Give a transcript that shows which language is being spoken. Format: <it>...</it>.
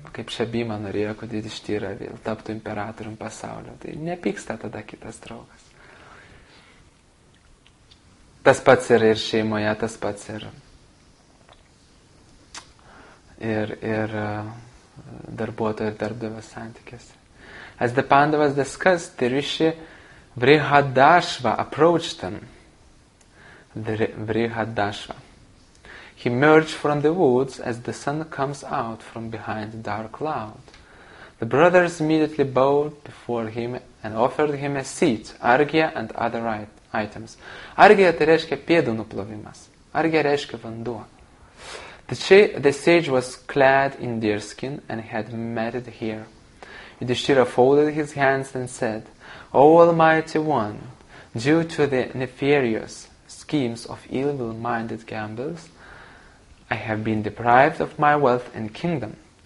<lt>Kaip šia Bhima norėjo, kad Yudhishthira vėl taptų imperatorium pasaulio. Tai nepyksta tada kitas draugas. Tas pats yra ir šeimoje, tas pats yra. Ir darbuotojo ir darbdavio santykiuose.</lt> <en>As the Pandavas discussed, the Rishi Vrihadashva approached them. Vrihadashva. He emerged from the woods as the sun comes out from behind a dark cloud. The brothers immediately bowed before him and offered him a seat, argya and other items.</en> <lt>Argya tai reiškia pėdų nuplovimas. Argya reiškia vanduo.</lt> <en>The sage was clad in deerskin and had matted hair. Yudhishthira folded his hands and said, O Almighty One, due to the nefarious schemes of evil-minded gamblers, I have been deprived of my wealth and kingdom.</en>